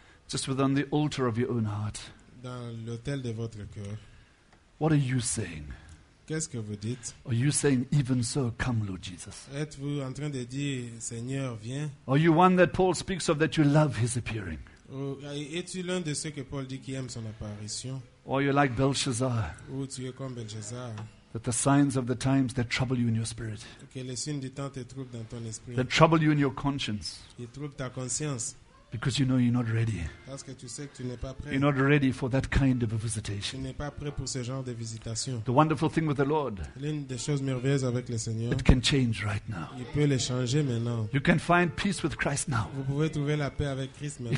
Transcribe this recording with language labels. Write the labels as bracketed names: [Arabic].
[English] Just within the altar of your own heart. [French] Dans l'autel de votre cœur. [English] What are you saying? [French] Qu'est-ce que vous dites? [English] Are you saying, even so, come, Lord Jesus? [French] Êtes-vous en train de dire, Seigneur, viens? [English] Are you one that Paul speaks of that you love his appearing? [French] Es-tu l'un de ceux que Paul dit qui aime son apparition? [English] Or you're like Belshazzar? [French] Ou tu es comme Belshazzar? [English] That the signs of the times that trouble you in your spirit? [French] Que les signes du temps te troublent dans ton esprit? [English] That trouble you in your conscience? [French] Ils troublent ta conscience? [English] Because you know you're not ready. [French] Parce que tu sais que tu n'es pas prêt. [English] You're not ready for that kind of a visitation. [French] Tu n'es pas prêt pour ce genre de visitation. [English] The wonderful thing with the Lord. [French] L'une des choses merveilleuses avec le Seigneur. [English] It can change right now. [French] Il peut les changer maintenant. [English] You can find peace with Christ now. [French] Vous pouvez trouver la paix avec Christ maintenant.